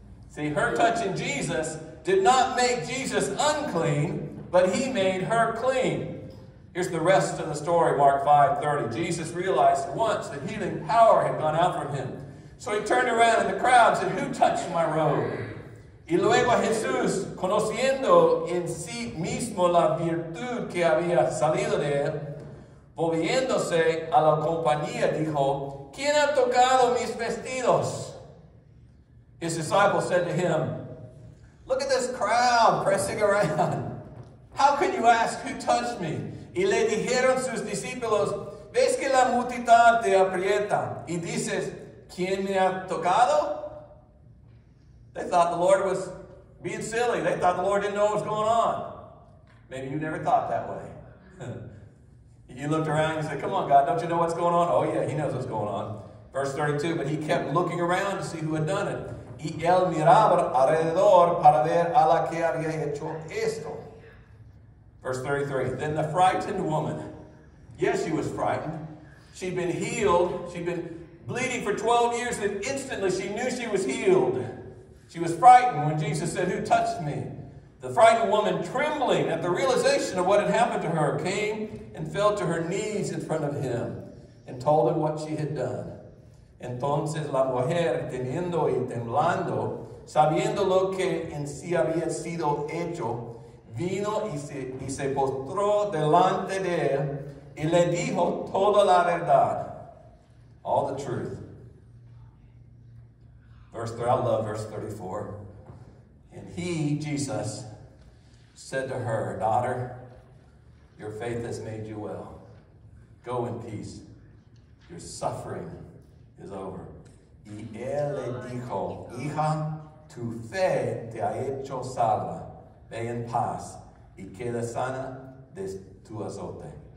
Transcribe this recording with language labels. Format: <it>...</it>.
<en>See, her touching Jesus did not make Jesus unclean. But he made her clean. Here's the rest of the story, Mark 5:30. Jesus realized once that healing power had gone out from him. So he turned around in the crowd and said, who touched my robe?</en> <es>Y luego Jesús, conociendo en sí mismo la virtud que había salido de él, volviéndose a la compañía, dijo, ¿quién ha tocado mis vestidos?</es> <en>His disciples said to him, look at this crowd pressing around. How can you ask who touched me?</en> <es>Y le dijeron sus discípulos, ¿ves que la multitud te aprieta? Y dices, ¿quién me ha tocado?</es> <en>They thought the Lord was being silly. They thought the Lord didn't know what was going on. Maybe you never thought that way. You looked around and you said, come on, God, don't you know what's going on? Oh, yeah, he knows what's going on. Verse 32, but he kept looking around to see who had done it.</en> <es>Y él miraba alrededor para ver a la que había hecho esto.</es> <en>Verse 33, then the frightened woman, yes, she was frightened. She'd been healed. She'd been bleeding for 12 years, and instantly she knew she was healed. She was frightened when Jesus said, who touched me? The frightened woman, trembling at the realization of what had happened to her, came and fell to her knees in front of him and told him what she had done.</en> <es>Entonces la mujer, teniendo y temblando, sabiendo lo que en sí había sido hecho, vino y se postró delante de él y le dijo toda la verdad.</es> <en>All the truth. I love verse 34. And he, Jesus, said to her, daughter, your faith has made you well. Go in peace. Your suffering is over.</en> <es>Y él le dijo, hija, tu fe te ha hecho salva. Ve en paz y queda sana de tu azote.</es>